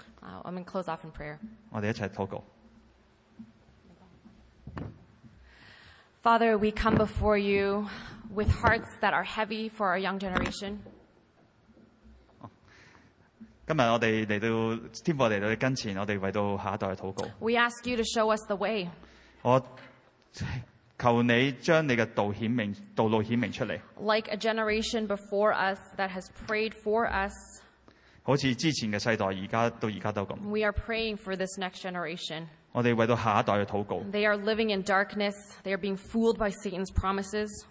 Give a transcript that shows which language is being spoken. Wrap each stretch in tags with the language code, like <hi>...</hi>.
<en>I'm going to close off in prayer.</en> <zh>我们一起祷告。</zh> <en>Father, we come before you with hearts that are heavy for our young generation.</en> <zh>今天我们来到天父来到你跟前,我们为到下一代祷告。</zh> <en>We ask you to show us the way.</en> <zh>我求你将你的道路显明出来。</zh> <en>Like a generation before us that has prayed for us.</en> <zh>好像之前的世代,到现在都这样。</zh> <en>We are praying for this next generation.</en> <zh>我们为到下一代祷告。</zh> <en>They are living in darkness. They are being fooled by Satan's promises.</en>